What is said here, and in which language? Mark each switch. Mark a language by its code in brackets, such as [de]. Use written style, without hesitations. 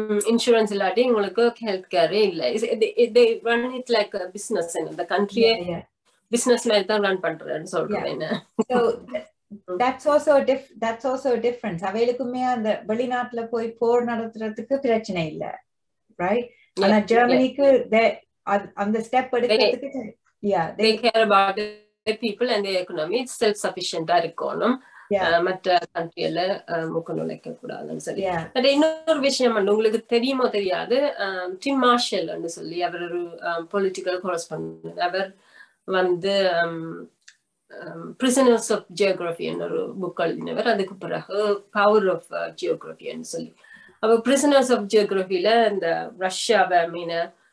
[ta] Insurance இல்லாட்டி உங்களுக்கு health கேரே இல்ல. [en] They run it like a business in the country. Yeah. [ta] Business மாதிரி தான் ரன் பண்றேன்னு சொல்றேன். [en] That's also a difference. [ta] அவைலுக்குமே அந்த வெளிநாட்டுல போய் போர் நடத்துறதுக்கு பிரச்சனை இல்ல. ரைட், ஆனா ஜெர்மனிக்கு அந்த ஸ்டெப் எடுக்கிறதுக்கு [en] they care about the people and the economy. It's self-sufficient- [ta] ஆ இருக்கணும். மற்ற கண்ட்ரியில எழுதினவர். அதுக்கு பிறகு பவர் ஆஃப் ஜியோகிராபி சொல்லி அவர் பிரிசனர்ஸ் ஆஃப் ஜியோகிராபில இந்த ரஷ்யாவை மீன